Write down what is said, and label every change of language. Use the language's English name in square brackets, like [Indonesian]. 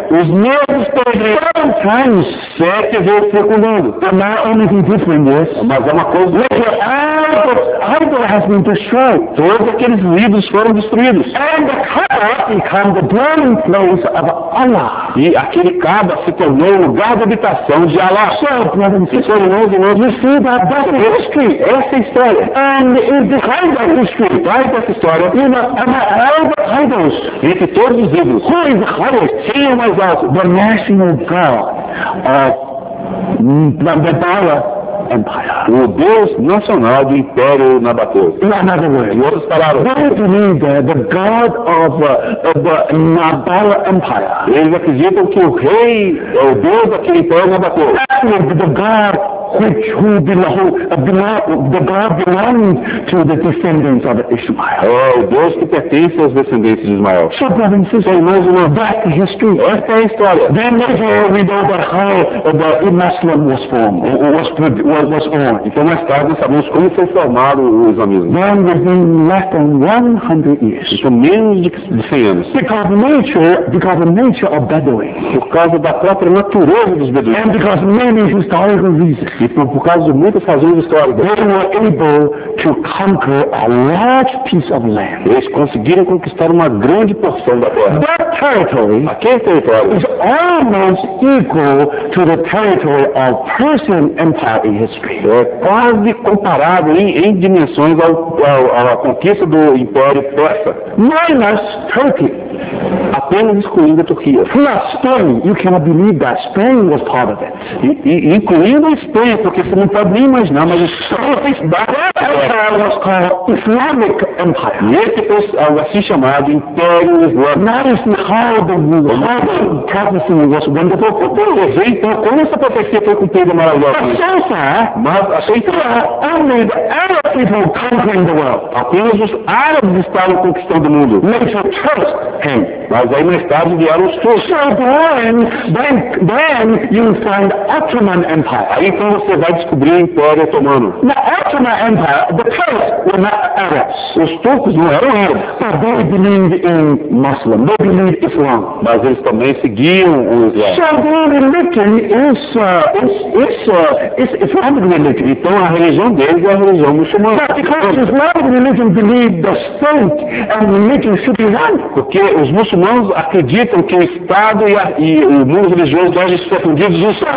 [Portuguese] Os mesmos pedreiros. [English] Seven times. [Portuguese] Sete vezes circulando. [English] But not only the difference is. [Portuguese] Mas é uma coisa. [English] Look, your idol has been destroyed. [Portuguese] Todos aqueles ídolos foram destruídos. [English] And the Kaaba become the dwelling place of Allah. [Portuguese] E aquele Kaaba se tornou o lugar de habitação de Allah. [English] So, brothers and sisters, you see that's the history. [Portuguese] Essa história. [English] And it's the kind of history. [Portuguese] Traz essa história. [English] You know, and all the idols. [Portuguese] Entre todos os ídolos, [English] who is the highest? [Portuguese] Quem é mais alto? [English] The national god of the Bala Empire. [Portuguese] O Deus nacional do Império Nabateu. [English] In other words, [Portuguese] em outras palavras, [English] they believe that the god of the Nabala Empire. [Portuguese] Eles acreditam que o rei é o Deus daquele Império Nabateu. [English] Actually, the god which who belong, belonging to the descendants of Ishmael. [Portuguese] Oh, Deus que pertence aos descendentes de Ismael. [English] So, brothers and sisters, [Portuguese] so, mais uma [English] back history. [Portuguese] Esta é a história. [English] Then later we know about how the Islam was formed, was born. [Portuguese] Então mais tarde sabemos como foi formado o Islamismo. [English] Then within less than 100 years. [Portuguese] Então menos de 100 anos. [English] Because of nature of Bedouin. [Portuguese] Por causa da própria natureza dos Bedouins. [English] And because many historical reasons. [Portuguese] E por causa de muitas razões históricas. [English] They were able to conquer a large piece of land. [Portuguese] Eles conseguiram conquistar uma grande porção da terra. [English] That territory. [Portuguese] Aquele território. [English] Is almost equal to the territory of Persian Empire in history. [Portuguese] É quase comparável em dimensões à conquista do Império Persa. [English] Minus Turkey. [Portuguese] Apenas excluindo a Turquia. [English] Plus Spain. You cannot believe that Spain was part of it. [Portuguese] E incluindo a Espanha, porque você não pode nem imaginar, mas [English] was called Islamic Empire. [Portuguese] E esse foi assim chamado Império Islâmico. [English] Now how the prophecy was wonderful fulfilled. [Portuguese] Então, como essa profecia foi cumprida maravilhosa? Mas [English] only the Arab people conquering the world. [Portuguese] Apenas os árabes estavam conquistando o mundo. [English] Later, trust him. [Portuguese] Mas aí mais tarde vieram os turcos. [English] So then you find Ottoman Empire. [Portuguese] Aí então você vai descobrir o Império Otomano. [English] Now, Ottoman Empire, the Turks were not Arabs. [Portuguese] Os turcos não eram árabes. [English] But they believed in Muslim. They believed Islam. [Portuguese] Mas eles também seguiam o Islam. [English] So their religion is Islamic religion. [Portuguese] Então a religião deles é a religião muçulmana. [English] But because Islamic religion believed the state and religion should be one. [Portuguese] Porque os muçulmanos acreditam que o Estado e o mundo religioso devem ser fundidos em